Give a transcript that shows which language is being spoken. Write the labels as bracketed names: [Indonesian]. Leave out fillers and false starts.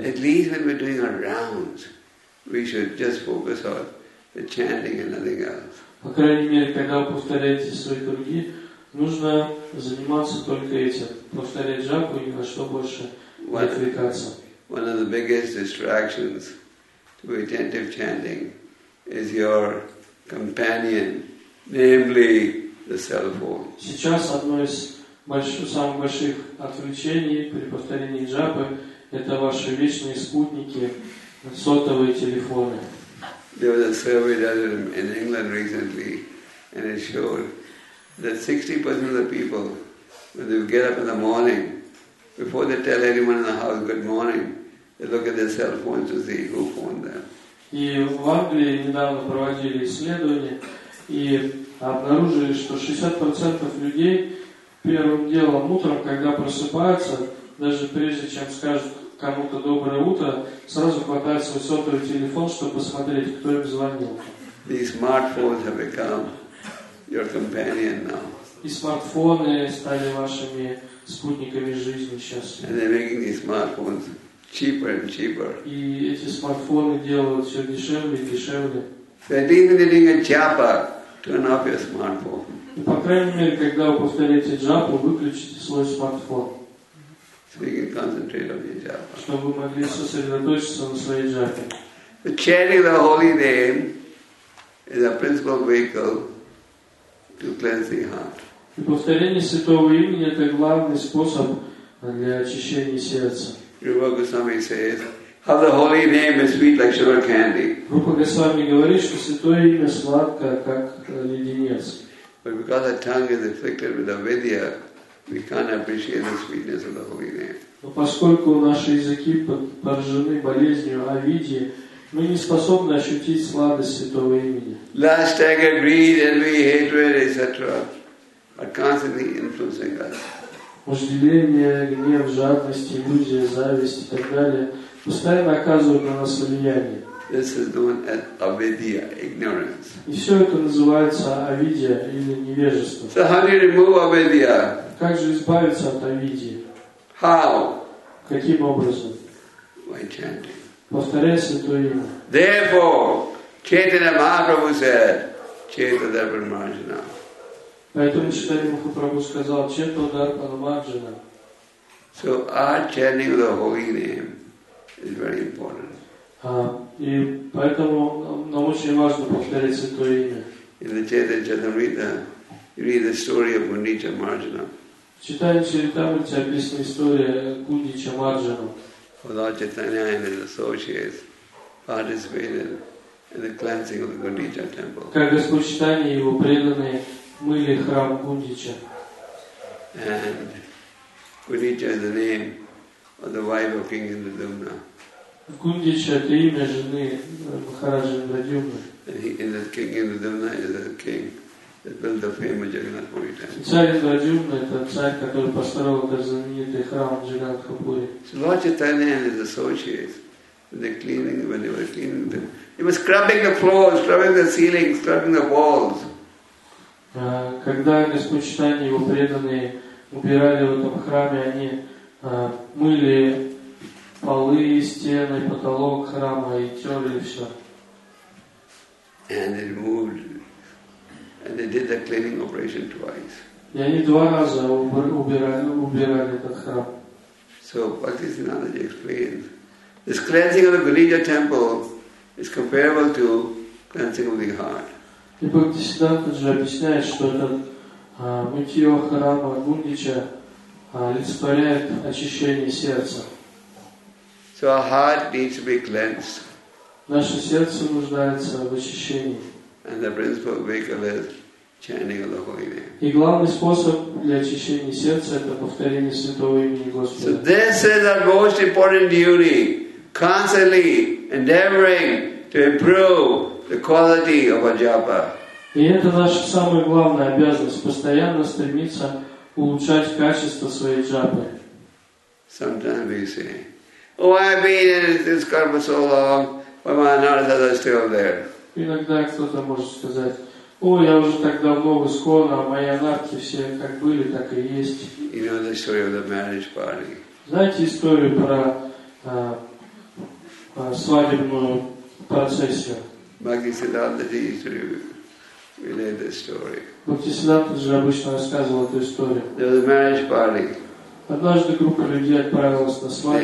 [English] At least when we're doing our rounds, we should just focus on the chanting and nothing else. [Russian] По крайней мере, когда вы повторяете свои круги, нужно заниматься только этим. Повторять джапу и на что больше не отвлекаться. [English] One of the biggest distractions to attentive chanting is your companion, namely the cell phone. [Russian] Сейчас одно из самых больших отвлечений при повторении джапы это ваши вечные спутники, сотовые телефоны. [English] There was a survey done in England recently and it showed that 60% of the people when they get up in the morning, before they tell anyone in the house good morning, they look at their cell phones to see who phoned them. [Russian] И в Англии недавно проводили исследование и обнаружили, что 60% людей первым делом утром, когда просыпаются, даже прежде чем скажут кому-то доброе утро, сразу хватает свой сотовый телефон, чтобы посмотреть, кто им звонил. [English] These smartphones have become your companion now. [Russian] И смартфоны стали вашими спутниками жизни сейчас. [English] And they're making these smartphones cheaper and cheaper. [Russian] И эти смартфоны делают все дешевле и дешевле. [English] They're even needing a japa. Turn off your smartphone. [Russian] По крайней мере, когда вы повторяете джапу, выключите свой смартфон. [English] So you can concentrate on your japa. [Russian] Чтобы вы могли сосредоточиться на своей джапе. [English] The chanting of the holy name is a principal vehicle to cleanse the heart. [Russian] И повторение святого имени — это главный способ для очищения сердца. [English] Rupa Goswami says, how the holy name is sweet like sugar candy. [Russian] Rupa Goswami говорит, что святое имя сладко, как леденец. [English] But because our tongue is afflicted with avidya, we can't appreciate the sweetness of the holy name. [Russian] Но поскольку наши языки поражены болезнью авидьи, мы не способны ощутить сладость святого имени. [English] Lust, anger, greed, envy, hatred, etc. are constantly influencing us. [Russian] Вожделение, гнев, жадность, иллюзия, зависть и так далее постоянно оказывают на нас влияние. [English] This is known as avidya, ignorance. [Russian] И все это называется авидья или невежество. [English] So how do you remove avidya? [Russian] Как же избавиться от авидьи? [English] How? [Russian] Каким образом? [English] By chanting. [Russian] Повторяя святое имя. [English] Therefore, Chaitanya Mahaprabhu said, Chaitanya Brahmarjuna. [Russian] Поэтому Чайтанья Махапрабху сказал, Чайтанья Дарпана Марджана. [English] So our chanting of the holy name is very important. [Russian] И поэтому нам очень важно повторять святое имя. [English] In the Chaitanya Charitamrita, you read the story of Гундича Марджана. [Russian] Читая Чайтамрита, описана история Гундича Марджана. [English] Lord Chaitanya and his associates participated in the cleansing of the Гундича temple. [Russian] Как Господь Чайтанья и его преданные мыли храм Гундича. [English] And Gundicha is the name of the wife of King Indradyumna. [Russian] Гундича — это имя жены Махараджи Индрадюмны. [English] And King Indradyumna is the king that built the famous Jagannathpuri temple. [Russian] Царь Индрадюмна — это царь, который построил этот знаменитый храм Джаганнатхапури. [English] So Lord Chaitanya and his associates, when they were cleaning, they were scrubbing the floors, scrubbing the ceilings, scrubbing the walls. [Russian] Когда Господь Чайтанья и его преданные убирали в этом храме, они мыли полы, стены, потолок храма и терли все. [English] And they removed, and they did the cleaning operation twice. [Russian] И они два раза убирали этот храм. [English] So Bhaktisiddhanta explains, this cleansing of the Gundicha temple is comparable to cleansing of the heart. [Russian] И Бхактисиддханта же объясняет, что это мытье храма Гундича олицетворяет очищение сердца. [English] So our heart needs to be cleansed. [Russian] Наше сердце нуждается в очищении. [English] And the principal vehicle is chanting of the holy name. [Russian] И главный способ для очищения сердца — это повторение святого имени Господа. [English] So this is our most important duty, constantly endeavoring to improve the quality of a japa. [Russian] И это наша самая главная обязанность — постоянно стремиться улучшать качество своей джапы. [English] Sometimes we say, oh, I've been in this car for so long, why my anartha is still there? [Russian] Иногда кто-то может сказать, о, я уже так давно в ИСККОН, а мои анартхи все как были, так и есть. [English] You know the story of the marriage party. [Russian] Знаете историю про свадебную процессию? [English] Bhaktisiddhanta ji used to relate this story. [Russian] Bhaktisiddhanta ji обычно рассказывал эту историю. [English] There was a marriage party. [Russian] Однажды группа людей отправилась на свадьбу.